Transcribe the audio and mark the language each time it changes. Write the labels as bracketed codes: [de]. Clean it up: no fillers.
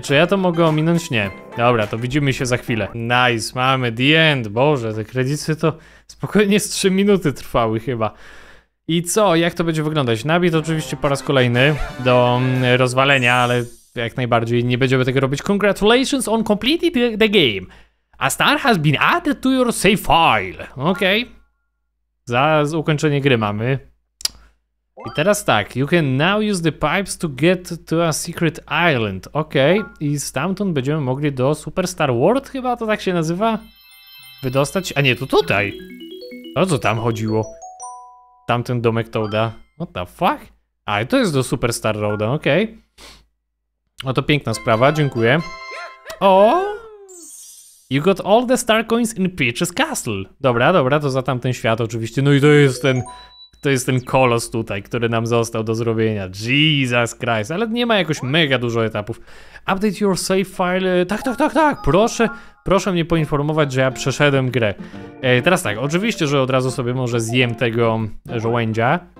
[pl] Czy ja to mogę ominąć? Nie. Dobra, to widzimy się za chwilę. Nice, mamy the end. Boże, te kredyty to spokojnie z 3 minuty trwały chyba. I co? Jak to będzie wyglądać? Nabit oczywiście po raz kolejny do rozwalenia, ale jak najbardziej nie będziemy tego robić. [en] Congratulations on completing the game. A star has been added to your save file. Okej. Okay. [pl] Za ukończenie gry mamy. I teraz tak, [en] you can now use the pipes to get to a secret island. [pl] Okej, okay. I stamtąd będziemy mogli do Superstar World, chyba to tak się nazywa? Wydostać? A nie, to tutaj! O co tam chodziło? Tamten domek Toada. [en] What the fuck? [pl] A, to jest do Superstar Road, okej. No to piękna sprawa, dziękuję. O! [en] You got all the star coins in Peach's Castle. [pl] Dobra, dobra, to za tamten świat oczywiście. No i to jest ten kolos tutaj, który nam został do zrobienia. [en] Jesus Christ, [pl] ale nie ma jakoś mega dużo etapów. [en] Update your save file. [pl] Tak, tak, tak, tak, proszę. Proszę mnie poinformować, że ja przeszedłem grę. Teraz tak, oczywiście, że od razu sobie może zjem tego żołędzia.